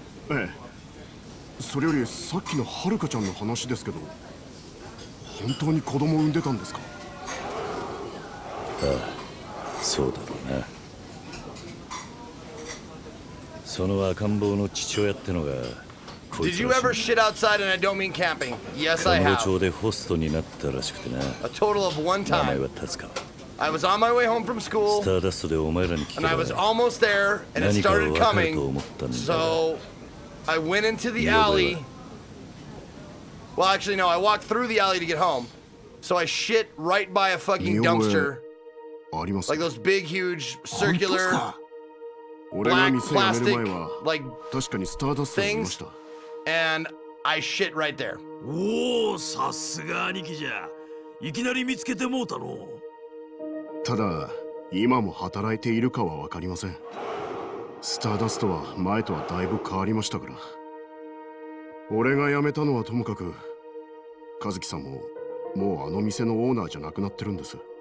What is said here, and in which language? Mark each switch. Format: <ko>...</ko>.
<ja>ええ。それよりさっきのハルカちゃんの話ですけど、本当に子供産んでたんですか。ああ、そうだろうな。その赤ん坊の父親ってのが、こいつらしい。</ja> <en>Did you ever shit outside and I don't mean camping? Yes, I have.</en> <ja>神戸町でホストになったらしくてな。</ja> <en>A total of one time.</en> <ja>名前は達川。</ja> <en>I was on my way home from school, and I was almost there, and it started coming. So, I went into the alley. Well, actually, no, I walked through the alley to get home. So I shit right by a fucking dumpster. Like those big, huge, circular, black, plastic, like, things. And I shit right there.</en> <ja>Whoa, さすが兄貴じゃ。いきなり見つけてもうたの。ただ、今も働いているかは分かりません。スターダストは前とはだいぶ変わりましたから。俺が辞めたのはともかく、和樹さんももうあの店のオーナーじゃなくなってるんです。</ja>